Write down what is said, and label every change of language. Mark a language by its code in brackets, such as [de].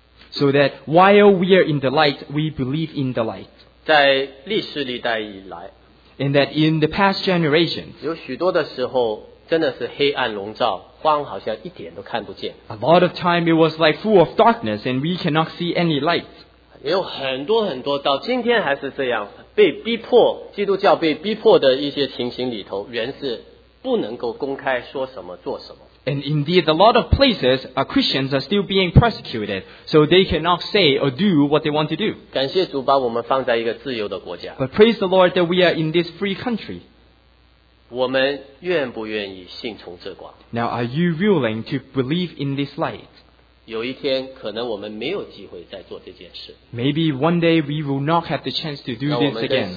[en] so that while we are in the light, we believe in the light. [zh] 在历史历代以来, [en] and that in the past generations, [zh] 有许多的时候, 真的是黑暗笼罩, 光好像一点都看不见, [en] a lot of time it was like full of darkness and we cannot see any light. [zh] 有很多很多, 到今天还是这样, 被逼迫, 基督教被逼迫的一些情形里头, 人是不能够公开说什么, 做什么, [en] and indeed a lot of places Christians are still being persecuted, so they cannot say or do what they want to do. [zh] 感谢主把我们放在一个自由的国家, [en] but praise the Lord that we are in this free country. [zh] 我们愿不愿意信从这光? [en] Now, are you willing to believe in this light? [zh] 有一天可能我们没有机会再做这件事, [en] maybe one day we will not have the chance to do this again.